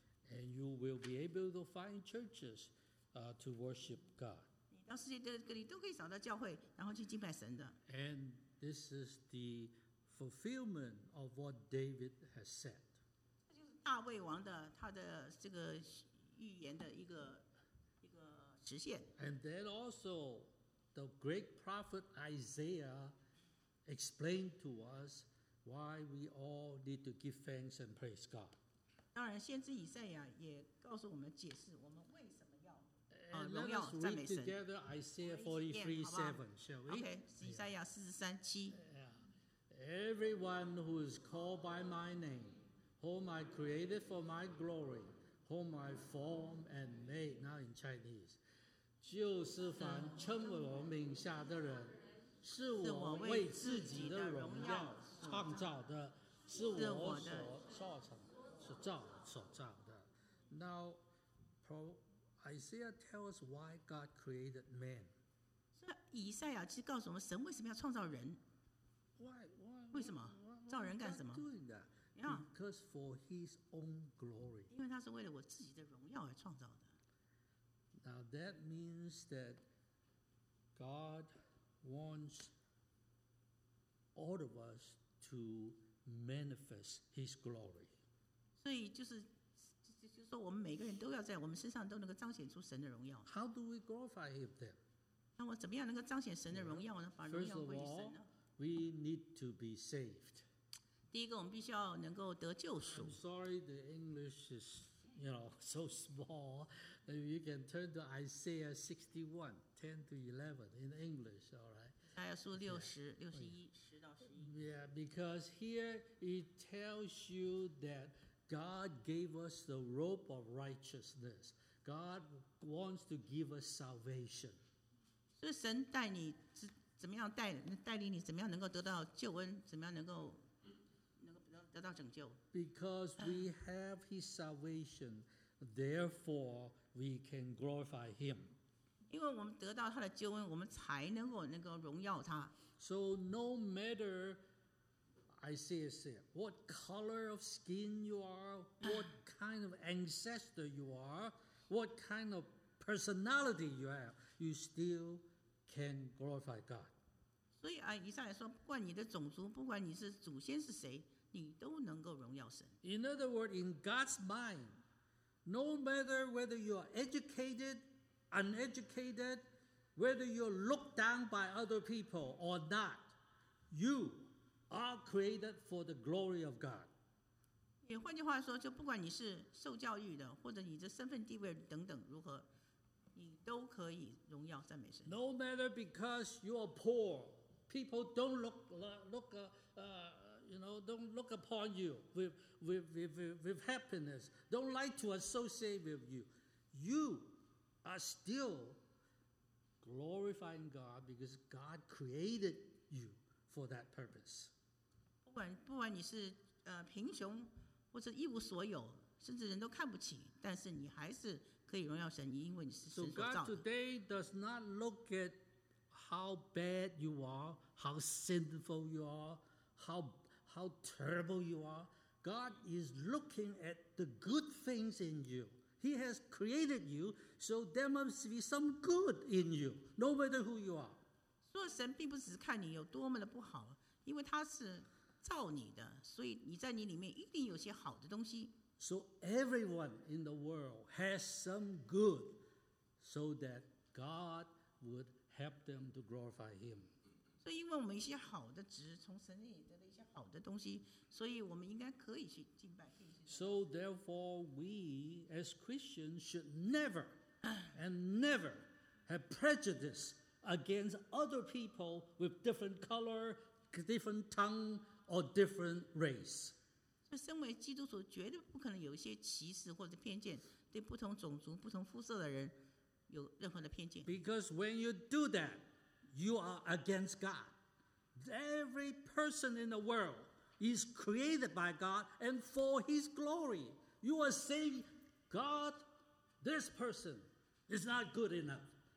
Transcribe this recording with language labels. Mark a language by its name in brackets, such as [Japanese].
[English] And you will be able to find churches, to worship God. [Chinese] 你到世界各地都可以找到教会，然后去敬拜神的。 [English] And This is the fulfillment of what David has said. [Chinese] 这就是大卫王的他的这个预言的一个实现。 [English] And then also, the great prophet Isaiah explained to us why we all need to give thanks and praise God. [Chinese] 当然，先知以赛亚也告诉我们解释我们为什么。荣耀赞美神。 [English] Let us read together Isaiah 43:7, shall we? [Chinese] Okay, 以赛亚43:7. [English] Everyone who is called by my name, whom I created for my glory, whom I formed and made, now in Chinese, [Chinese] 就是凡称我名下的人，是我为自己的荣耀创造的，是我所造成，是造所造的。 [English] Now, Isaiah tells us why God created man. [Chinese] 以赛亚其实告诉我们神为什么要创造人。 [English] Why? [Chinese] 为什么？造人干什么？ [English] Doing that? Because for His own glory. [Chinese] 因为他是为了我自己的荣耀而创造的。 [English] Now that means that God wants all of us to manifest His glory. [Chinese] 所以就是。就是说我们每个人都要在我们身上都能够彰显出神的荣耀。 [English] How do we glorify him then? [Chinese] 那我怎么样能够彰显神的荣耀呢？把荣耀归于神呢？ [English] First of all, we need to be saved. [Chinese] 第一个我们必须要能够得救赎。 [English] I'm sorry the English is, you know, so small. If you can turn to Isaiah 61:10-11 in English, all right? [Chinese] 以赛亚书61:10-11 [English] Yeah, because here it tells you that God gave us the robe of righteousness. God wants to give us salvation. [Chinese] 所以神带你怎么样带领你怎么样能够得到救恩，怎么样能够得到拯救。 [English] Because we have His salvation, therefore we can glorify Him. [Chinese] 因为我们得到他的救恩，我们才能够荣耀他。 [English] So no matter. Isaiah said, what color of skin you are, what kind of ancestor you are, what kind of personality you have, you still can glorify God. [Chinese] 所以以赛亚说，不管你的种族，不管你是祖先是谁，你都能够荣耀神。 [English] In other words, in God's mind, no matter whether you are educated, uneducated, whether you're looked down by other people or not, you are created for the glory of God. [Chinese] 也换句话说，就不管你是受教育的，或者你的身份地位等等如何，你都可以荣耀赞美神。 [English] No matter because you are poor, people don't look upon you with happiness, don't like to associate with you. You are still glorifying God because God created you for that purpose. [Chinese] 不管你是贫穷或者一无所有，甚至人都看不起，但是你还是可以荣耀神，因为你是神所造的。 [English] So God today does not look at how bad you are, how sinful you are, how terrible you are. God is looking at the good things in you. He has created you, so there must be some good in you, no matter who you are. [Chinese] 所以神并不只是看你有多么的不好，因为他是造你的，所以你在你里面一定有些好的东西。 [English] So everyone in the world has some good, so that God would help them to glorify Him. [Chinese] 所以因为我们一些好的职，从神那里得了一些好的东西，所以我们应该可以去敬拜。 [English] So therefore, we as Christians should never and never have prejudice against other people with different color, different tongue. Or different race. [Chinese] 就身为基督徒，绝对不可能有一些歧视或者偏见，对不同种族、不同肤色的人有任何的偏见。 [English] Because when you do that, you are against God. Every person in the world is created by God and for His glory. You are saying, God, this person is not good enough.